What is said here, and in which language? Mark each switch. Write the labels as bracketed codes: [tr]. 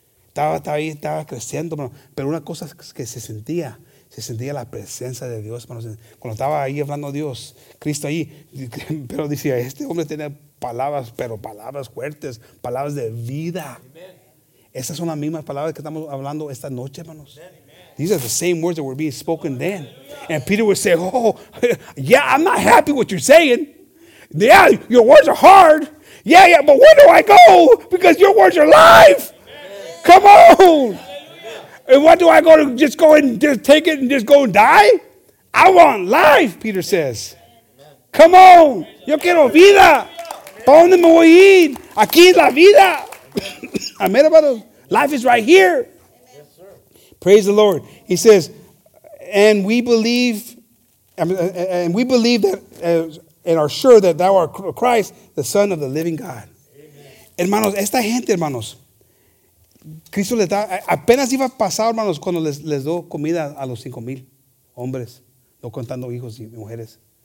[es] Estaba creciendo, hermano. Pero una cosa que se sentía la presencia de Dios, hermanos. Cuando estaba ahí hablando Dios, Cristo ahí, pero decía, este hombre tiene palabras, pero palabras fuertes, palabras de vida. Amen. Esas son las mismas palabras que estamos hablando esta noche, hermanos. Amen. [en] These are the same words that were being spoken then. Hallelujah. And Peter would say, oh, yeah, I'm not happy with what you're saying. Yeah, your words are hard. Yeah, yeah, but where do I go? Because your words are life. Amen. Come on. Hallelujah. And what do I go to just go and just take it and just go and die? I want life, Peter says. Amen. Come on. [es] Yo quiero vida. ¿Para dónde me voy a ir? Aquí es la vida. Amen, hermanos. [en] Life is right here. Yes, sir. Praise the Lord. He says, and we believe, and we believe that, and are sure that thou art Christ, the Son of the living God. Amen. [es] Hermanos, esta gente, hermanos, Cristo les da, apenas iba a pasar, hermanos, cuando les dio comida a los 5,000 hombres, no contando hijos y mujeres.